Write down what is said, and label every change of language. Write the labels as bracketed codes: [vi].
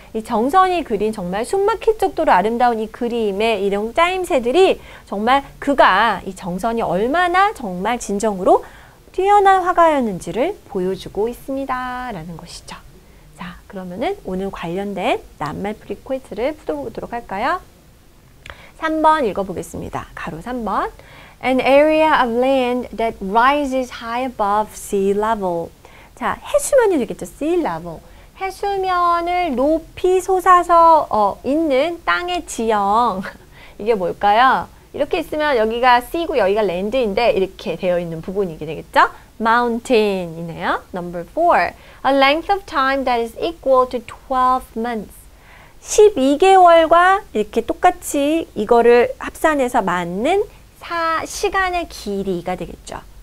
[ko] 이 정선이 그린 정말 숨막힐 정도로 아름다운 이 그림의 이런 짜임새들이 정말 그가 이 정선이 얼마나 정말 진정으로 뛰어난 화가였는지를 보여주고 있습니다. 라는 것이죠. 자, 그러면은 오늘 관련된 낱말 프리퀘스트를 풀어보도록 할까요? 3번 읽어보겠습니다. 가로 3번. [en] An area of land that rises high above sea level. [ko] 자, 해수면이 되겠죠. sea level. 해수면을 높이 솟아서 있는 땅의 지형. 이게 뭘까요? 이렇게 있으면 여기가 sea고 여기가 land인데 이렇게 되어 있는 부분이게 되겠죠? [en] mountain이네요. number 4. A length of time that is equal to 12 months. [ko] 12개월과 이렇게 똑같이 이거를 합산해서 맞는 시간의 길이가 되겠죠.